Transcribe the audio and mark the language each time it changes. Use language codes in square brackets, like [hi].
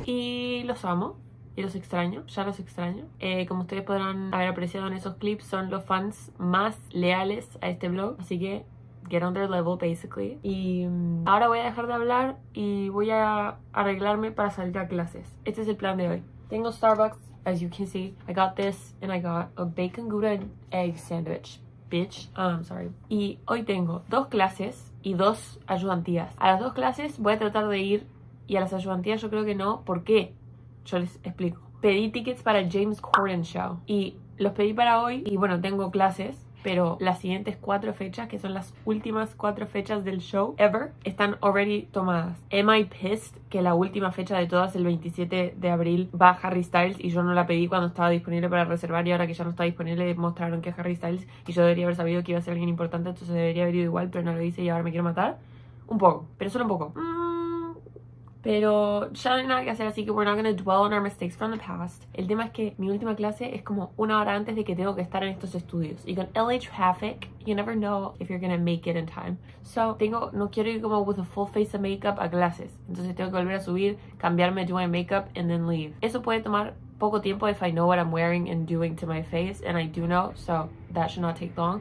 [es] Y los amo. Y los extraño, ya los extraño. Como ustedes podrán haber apreciado en esos clips, son los fans más leales a este vlog. Así que [en] get on their level, basically. [es] Y ahora voy a dejar de hablar y voy a arreglarme para salir a clases. Este es el plan de hoy. Tengo Starbucks, [en] as you can see. I got this and I got a bacon gouda and egg sandwich. Bitch, I'm sorry. [es] Y hoy tengo dos clases y dos ayudantías. A las dos clases voy a tratar de ir y a las ayudantías yo creo que no. ¿Por qué? Yo les explico. Pedí tickets para el James Corden Show y los pedí para hoy y bueno, tengo clases. Pero las siguientes cuatro fechas, que son las últimas cuatro fechas del show ever, están already tomadas. [en] Am I pissed [es] que la última fecha de todas, el 27 de abril, va Harry Styles y yo no la pedí cuando estaba disponible para reservar y ahora que ya no está disponible mostraron que es Harry Styles y yo debería haber sabido que iba a ser alguien importante, entonces debería haber ido igual, pero no lo hice y ahora me quiero matar? Un poco, pero solo un poco. Pero ya no hay nada que hacer, así que [en] we're not gonna dwell on our mistakes from the past. [es] El tema es que mi última clase es como una hora antes de que tengo que estar en estos estudios. Y con [en] LA traffic, you never know if you're gonna make it in time. So, [es] no quiero ir como [en] with a full face of makeup [es] a clases. Entonces tengo que volver a subir, cambiarme, [en] do my makeup, and then leave. [es] Eso puede tomar poco tiempo [en] if I know what I'm wearing and doing to my face, and I do know, so that should not take long.